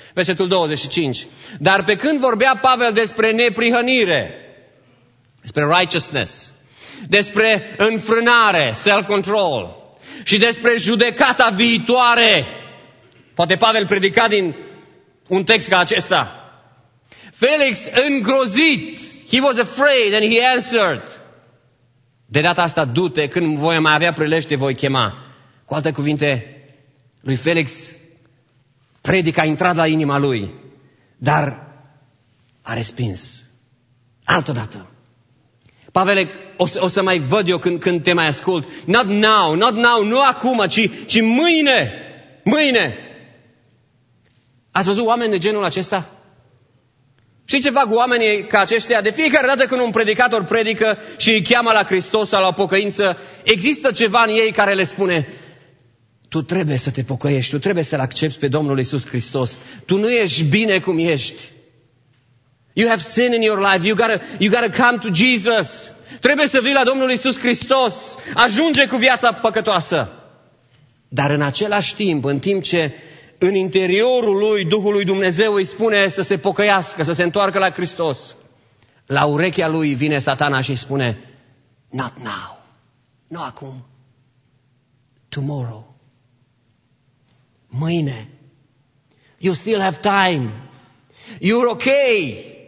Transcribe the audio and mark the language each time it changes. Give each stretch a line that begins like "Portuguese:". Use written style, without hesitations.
Romanian: Versetul 25. Dar pe când vorbea Pavel despre neprihănire, despre righteousness, despre înfrânare, self-control, și despre judecata viitoare, poate Pavel predica din un text ca acesta. Felix, îngrozit, he was afraid and he answered. De data asta, du-te, când voi mai avea prilej, te voi chema. Cu alte cuvinte, lui Felix, predica a intrat la inima lui, dar a respins. Altădată. Pavele, o să mai văd eu când te mai ascult. Not now, nu acum, ci mâine. Ați văzut oameni de genul acesta? Și ce fac oamenii ca aceștia? De fiecare dată când un predicator predică și îi cheamă la Hristos sau la pocăință, există ceva în ei care le spune: tu trebuie să te pocăiești, tu trebuie să-L accepți pe Domnul Iisus Hristos. Tu nu ești bine cum ești.
English: You have sin in your life, you gotta come to Jesus.
Romanian: Trebuie să vii la Domnul Iisus Hristos. Ajunge cu viața păcătoasă. Dar în același timp, în timp ce în interiorul lui, Duhul lui Dumnezeu îi spune să se pocăiască, să se întoarcă la Hristos, la urechea lui vine Satana și îi spune: not now, nu acum, tomorrow, mâine, you still have time, you're okay,